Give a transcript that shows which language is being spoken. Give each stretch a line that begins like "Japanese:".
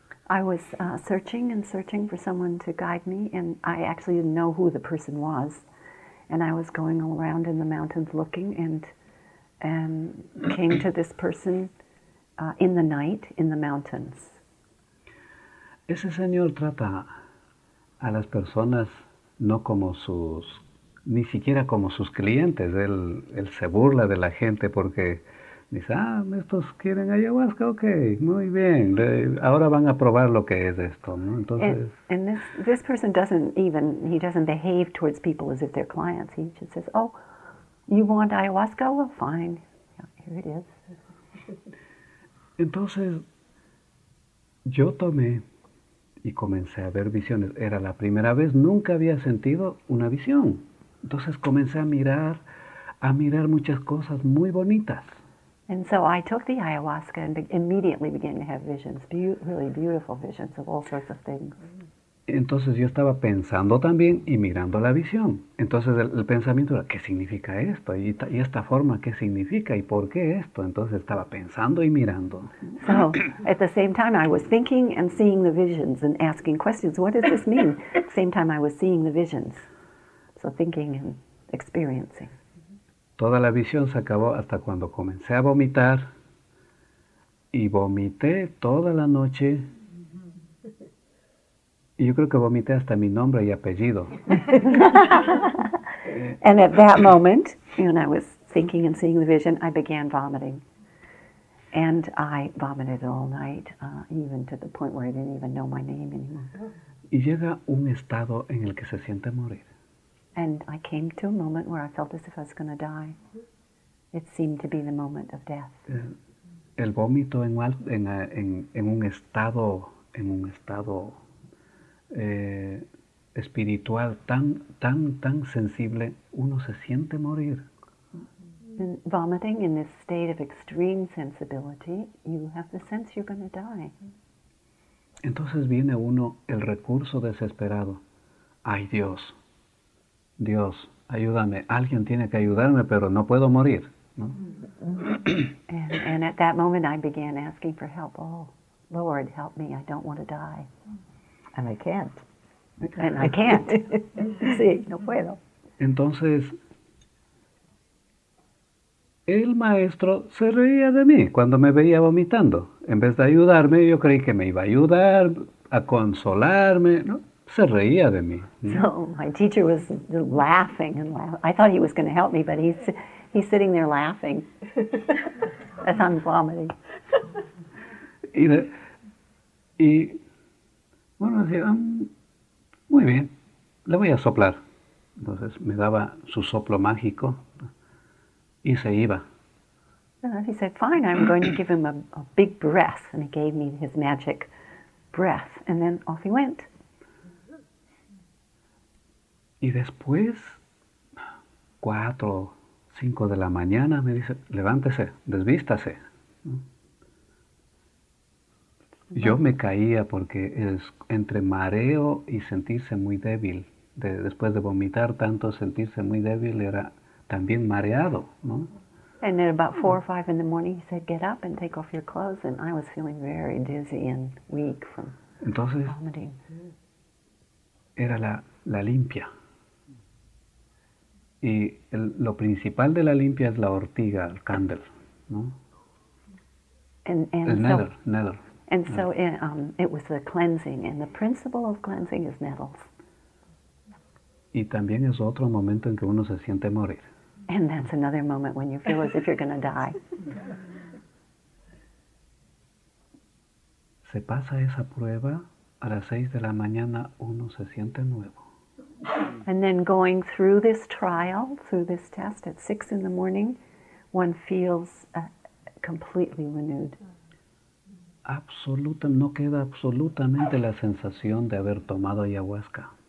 English: I was searching for someone to guide me, and I actually didn't know who the person was. And I was going all around in the mountains looking, and came to this person in the night in the mountains.
Spanish: Ese señor trata a las personas no como sus, ni siquiera como sus clientes. Él se burla de la gente porque dice, estos quieren ayahuasca, okay, muy bien. Ahora van a probar lo que es esto, ¿no? Entonces.
English: And this person doesn't behave towards people as if they're clients. He just says, oh, you want ayahuasca? Well, fine. Yeah, here it is.
Spanish: Entonces, yo tomé y comencé a ver visiones. Era la primera vez, nunca había sentido una visión. Entonces comencé a mirar muchas cosas muy bonitas.
English: And so I took the ayahuasca and immediately began to have visions, really beautiful visions of all sorts of things.
Spanish: Entonces yo estaba pensando también y mirando la visión. Entonces el pensamiento era, ¿qué significa esto? Y esta forma, ¿qué significa? ¿Y por qué esto? Entonces estaba pensando y mirando.
English: So at the same time I was thinking and seeing the visions and asking questions, what does this mean? Same time I was seeing the visions. So thinking and experiencing.
Spanish: Toda la visión se acabó hasta cuando comencé a vomitar y vomité toda la noche. Y yo creo que vomité hasta mi nombre y apellido.
English: And at that moment, when I was thinking and seeing the vision, I began vomiting. And I vomited all night, even to the point where I didn't even know my name anymore.
Spanish: Y llega un estado en el que se siente morir.
English: And I came to a moment where I felt as if I was going to die. It seemed to be the moment of death.
Spanish: El vómito en un estado espiritual tan sensible, uno se siente morir.
English: And vomiting in this state of extreme sensibility, you have the sense you're going to die.
Spanish: Entonces viene uno el recurso desesperado. Ay, Dios. Dios, ayúdame. Alguien tiene que ayudarme, pero no puedo morir. ¿No?
English: And at that moment, I began asking for help. Oh, Lord, help me. I don't want to die. And I can't. And I can't.
Spanish: Sí, no puedo. Entonces, El maestro se reía de mí cuando me veía vomitando. En vez de ayudarme, yo creí que me iba a ayudar, a consolarme, ¿no? Se reía de mí.
English: So my teacher was laughing and laughing. I thought he was going to help me, but he's sitting there laughing as I'm vomiting.
Spanish: Y bueno, decía, muy bien, le voy a soplar. Entonces me daba su soplo mágico y se iba.
English: And he said, fine, I'm going to give him a big breath. And he gave me his magic breath. And then off he went.
Spanish: Y después, 4 o 5 de la mañana, me dice, levántese, desvístase. Yo me caía porque es entre mareo y sentirse muy débil. Después de vomitar tanto, sentirse muy débil, era también mareado, ¿no?
English: And at about 4 or 5 in the morning, he said, get up and take off your clothes. And I was feeling very dizzy and weak from
Spanish: Entonces,
English: vomiting.
Spanish: Era la limpia. Y lo principal de la limpia es la ortiga, el candle, ¿no?
English: And
Spanish: el
English: so, nether. And so it was the cleansing, and the principle of cleansing is nettles.
Spanish: Y también es otro momento en que uno se siente morir.
English: And that's another moment when you feel as if you're going to die.
Spanish: Se pasa esa prueba, a las 6 de la mañana uno se siente nuevo.
English: And then going through this trial, through this test at 6 in the morning, one feels completely renewed.
Spanish: Absoluta, no queda absolutamente la sensación de haber tomado ayahuasca.